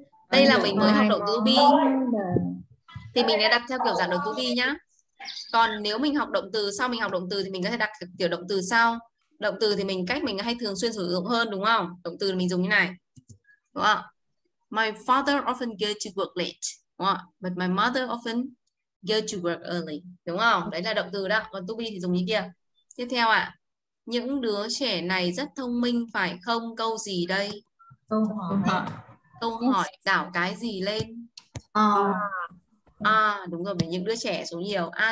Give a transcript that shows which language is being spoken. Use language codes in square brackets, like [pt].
[vi] Đây là mình mới học động từ be. Thì mình đã đặt theo kiểu dạng động từ be nhá. Còn nếu mình học động từ sau mình học động từ thì mình có thể đặt kiểu động từ sau. Động từ thì mình cách mình hay thường xuyên sử dụng hơn đúng không? Động từ mình dùng như này. Đúng không? [en] My father often get to work late. [vi] Đúng không? [en] But my mother often go to work early. [vi] Đúng không? Đấy là động từ đó. Còn to be thì dùng như kia. Tiếp theo ạ. Những đứa trẻ này rất thông minh phải không? Câu gì đây? Câu hỏi. Đảo cái gì lên? Đúng rồi. Vì những đứa trẻ số nhiều.